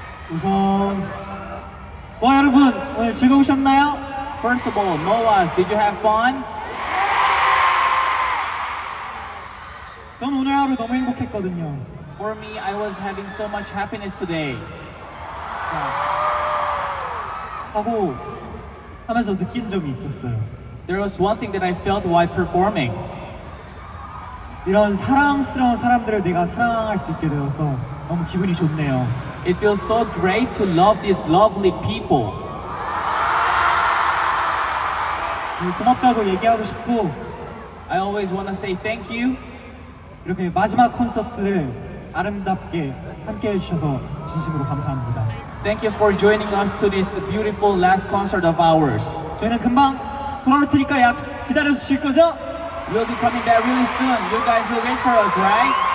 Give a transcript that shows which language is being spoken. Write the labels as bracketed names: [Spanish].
[Korean] 우선 와 여러분 오늘 즐거우셨나요? [English] First of all, Noahs, did you have fun? Yeah! [Korean] 전 오늘 하루 너무 행복했거든요. [English] For me, I was having so much happiness today. [Korean] 하고 하면서 느낀 점이 있었어요. [English] There was one thing that I felt while performing. [Korean] 이런 사랑스러운 사람들을 내가 사랑할 수 있게 되어서 너무 기분이 좋네요. [English] It feels so great to love these lovely people. [Korean] 고맙다고 얘기하고 싶고, [English] I always want to say thank you. [Korean] 이렇게 마지막 콘서트를 아름답게 함께 해주셔서 진심으로 감사합니다. [English] Thank you for joining us to this beautiful last concert of ours. [Korean] 저희는 금방 돌아올 테니까 약 기다려 주실 거죠? [English] We'll be coming back really soon. You guys will wait for us, right?